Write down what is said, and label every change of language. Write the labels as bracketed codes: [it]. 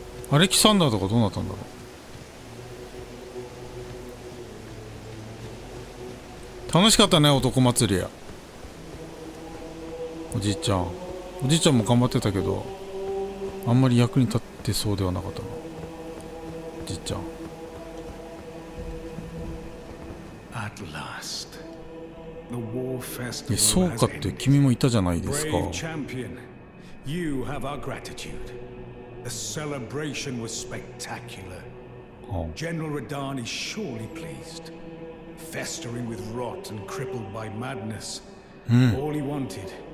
[ja] アレキサンダーとかどうなったんだろう。楽しかったね、男祭りや。おじいちゃん。おじいちゃんも頑張ってたけど、あんまり役に立ってそうではなかったな。じっちゃん。 [en] At last, the war festival has ended. [ja] そうかって君もいたじゃないですか。 [en] Brave champion, you have our gratitude. The celebration was spectacular. General Radahn is surely pleased. Festering with rot and crippled by madness, all he wanted.